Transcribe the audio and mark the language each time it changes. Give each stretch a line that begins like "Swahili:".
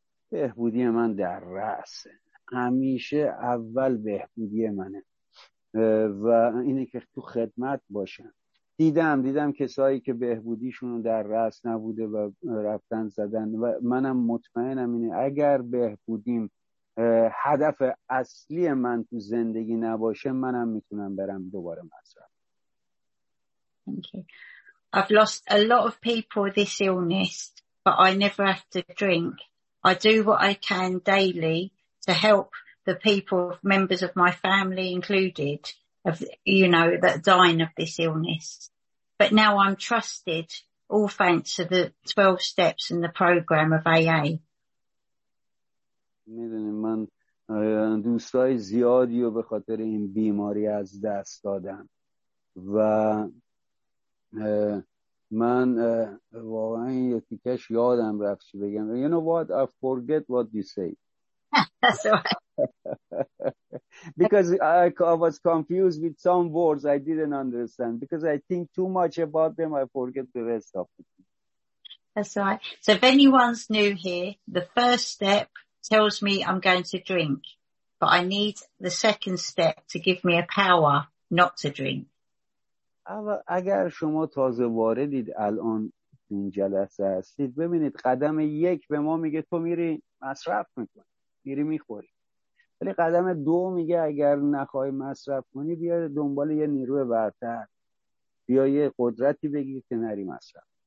Persian: بهبودی من در رأس، همیشه اول بهبودی منه و اینه که تو خدمت باشم. دیدم کسایی که بهبودیشون در رأس نبوده و رفتن زدن، و منم مطمئنم اینه اگر بهبودیم هدف اصلی من تو زندگی نباشه، منم میتونم برم دوباره مصرف.
English: Thank you. I've lost a lot of people this illness but I never have to drink. I do what I can daily to help the people, members of my family included, that are dying of this illness. But now I'm trusted, all thanks to the 12 steps and the program of AA.
Persian: میدونی من دوستای زیادی رو به خاطر این بیماری از دست دادم و من واقعا این یکیکش یادم رفت چی بگم.
English: You know what? I forget what you say. That's right. Because I was confused with some words I didn't understand. Because I think too much about them, I forget the rest of it. That's right. So if anyone's new here, the first step tells me I'm going to drink. But I need the second step to give me a power not to drink.
Persian: اگر شما تازه واردید الان این جلسه هستید، ببینید قدم یک به ما میگه تو میری مصرف میکنی، میری میخوری، ولی قدم دو میگه اگر نخوای مصرف کنی بیا دنبال یه نیروی برتر، بیا یه قدرتی بگیر که نری مصرف.